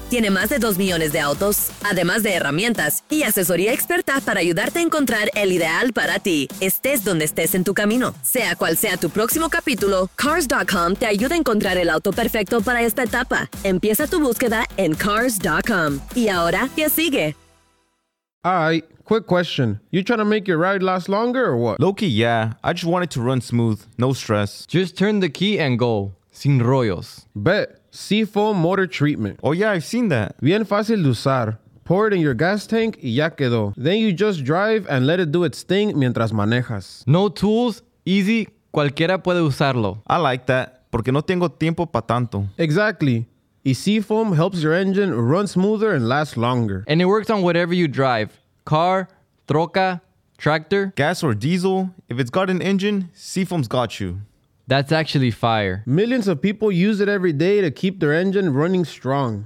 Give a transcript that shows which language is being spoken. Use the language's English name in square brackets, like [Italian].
[Spanish] Tiene más de 2 millones de autos, además de herramientas y asesoría experta para ayudarte a encontrar el ideal para ti, estés donde estés en tu camino. Sea cual sea tu próximo capítulo, Cars.com te ayuda a encontrar el auto perfecto para esta etapa. Empieza tu búsqueda en Cars.com. Y ahora, ¿qué sigue? [English] Alright, quick question. You trying to make your ride last longer or what? Low-key, yeah. I just want it to run smooth. No stress. Just turn the key and go. [Spanish] Sin rollos. [English] Bet. Seafoam motor treatment. Oh yeah, I've seen that. Bien fácil de usar. Pour it in your gas tank y ya quedó. Then you just drive and let it do its thing [Spanish] mientras manejas. [English] No tools. Easy. [Spanish] Cualquiera puede usarlo. [English] I like that. [Spanish] Porque no tengo tiempo pa' tanto. [English] Exactly. Y Seafoam helps your engine run smoother and last longer. And it works on whatever you drive. Car, troca, tractor. Gas or diesel. If it's got an engine, Seafoam's got you. That's actually fire. Millions of people use it every day to keep their engine running strong.